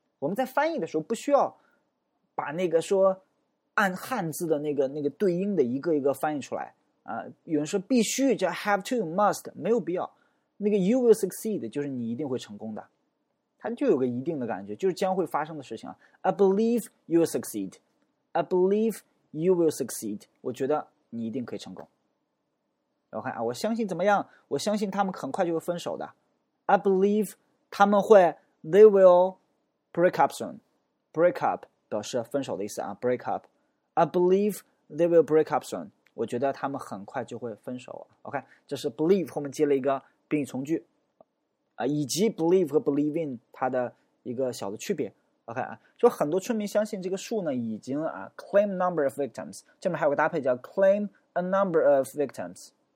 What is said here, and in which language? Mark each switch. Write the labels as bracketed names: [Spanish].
[Chinese] 我们在翻译的时候不需要把那个说按汉字的那个对应的一个一个翻译出来啊、有人说必须叫 have to must 没有必要，那个 you will succeed 就是你一定会成功的，它就有个一定的感觉，就是将会发生的事情、啊、 I believe you will succeed, I believe you will succeed, 我觉得你一定可以成功。然后看啊，我相信怎么样，我相信他们很快就会分手的。 [English] I believe 他们会 they will break up soon, break up 表示分手的意思啊， break up, I believe they will break up soon, 我觉得他们很快就会分手。 [Chinese] OK, 这是 believe 后面接了一个并语从句啊，以及 believe 和 believe in 它的一个小的区别。 OK 啊，就很多村民相信这个树呢已经啊 claim number of victims, 这边还有个搭配叫 claim a number of victims。